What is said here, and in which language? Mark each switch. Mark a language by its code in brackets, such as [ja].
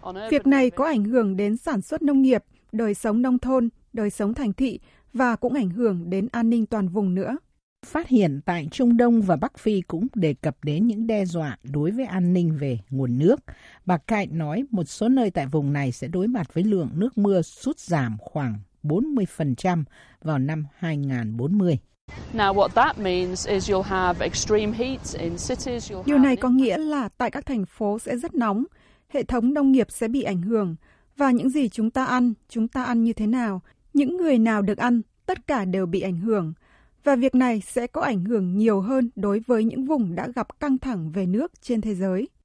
[vi] Việc này có ảnh hưởng đến sản xuất nông nghiệp, đời sống nông thôn, đời sống thành thị, và cũng ảnh hưởng đến an ninh toàn vùng nữa. Phát hiện tại Trung Đông và Bắc Phi cũng đề cập đến những đe dọa đối với an ninh về nguồn nước. Bà Kite nói một số nơi tại vùng này sẽ đối mặt với lượng nước mưa sút giảm khoảng 40% vào năm 2040. [en] Now what that means is you'll have extreme heat in cities. [vi] Điều này có nghĩa là tại các thành phố sẽ rất nóng, hệ thống nông nghiệp sẽ bị ảnh hưởng, và những gì chúng ta ăn như thế nào, những người nào được ăn, tất cả đều bị ảnh hưởng. Và việc này sẽ có ảnh hưởng nhiều hơn đối với những vùng đã gặp căng thẳng về nước trên thế giới.